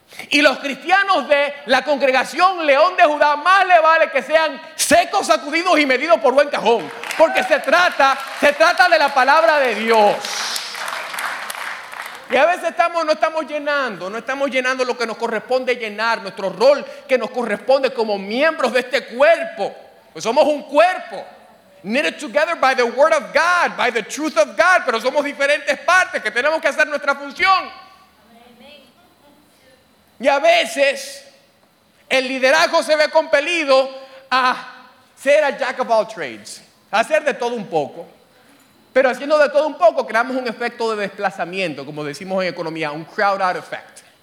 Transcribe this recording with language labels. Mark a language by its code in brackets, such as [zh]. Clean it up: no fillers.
[es] Y los cristianos de la congregación León de Judá, más le vale que sean secos, sacudidos y medidos por buen cajón. Porque se trata de la palabra de Dios. Y a veces no estamos llenando lo que nos corresponde llenar, nuestro rol que nos corresponde como miembros de este cuerpo. Pues somos un cuerpo. [en] Knitted together by the word of God, by the truth of God. [es] Pero somos diferentes partes que tenemos que hacer nuestra función. Y a veces el liderazgo se ve compelido a ser a [en] jack of all trades, [es] a hacer de todo un poco. Pero haciendo de todo un poco creamos un efecto de desplazamiento, como decimos en economía, un crowd out effect.